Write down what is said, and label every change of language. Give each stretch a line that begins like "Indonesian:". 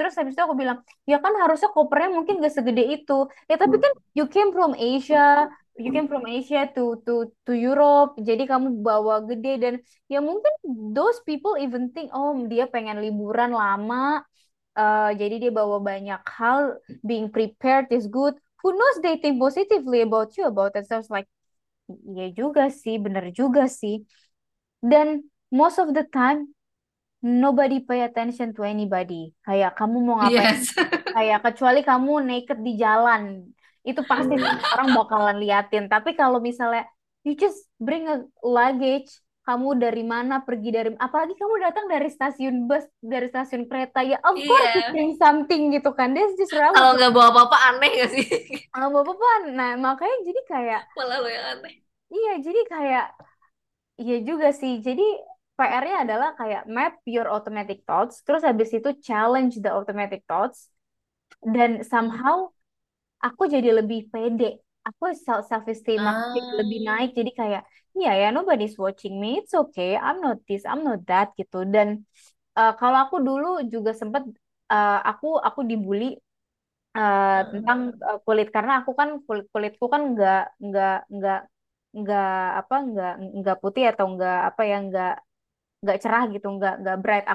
Indonesian: Terus habis itu aku bilang, ya kan harusnya kopernya mungkin gak segede itu. Ya tapi kan
English: you came from Asia to Europe.
Indonesian: Jadi kamu bawa gede dan ya mungkin
English: those people even think,
Indonesian: oh dia pengen liburan lama. Jadi dia bawa banyak hal.
English: Being prepared is good. Who knows? They think positively about you, about themselves.
Indonesian: Like, iya juga sih, bener juga sih.
English: Dan most of the time, nobody pay attention to anybody.
Indonesian: Kayak kamu mau ngapain?
English: Yes.
Indonesian: Kayak kecuali kamu naked di jalan, itu pasti semua orang bakalan liatin. Tapi kalau misalnya
English: you just bring a luggage,
Indonesian: kamu dari mana pergi dari, apalagi kamu datang dari stasiun bus, dari stasiun kereta, ya
English: of course
Indonesian: Iya.
English: you bring something
Indonesian: gitu kan.
English: This is just
Indonesian: Kalau
English: relevant.
Indonesian: nggak bawa apa-apa aneh gak sih? Kalau apa-apa, nah makanya jadi kayak, Malah lo yang aneh. iya, jadi kayak, iya juga sih. Jadi PR-nya adalah kayak
English: map your automatic thoughts,
Indonesian: terus habis itu
English: challenge the automatic thoughts,
Indonesian: dan somehow aku jadi lebih pede. Aku self-esteem aku jadi lebih naik. Jadi kayak, iya ya,
English: nobody's watching me, it's okay, I'm not this, I'm not that gitu.
Indonesian: Dan kalau aku dulu juga sempat aku dibully. Tentang kulit, karena aku kan kulit kulitku kan nggak putih atau nggak apa ya, nggak cerah gitu, nggak bright.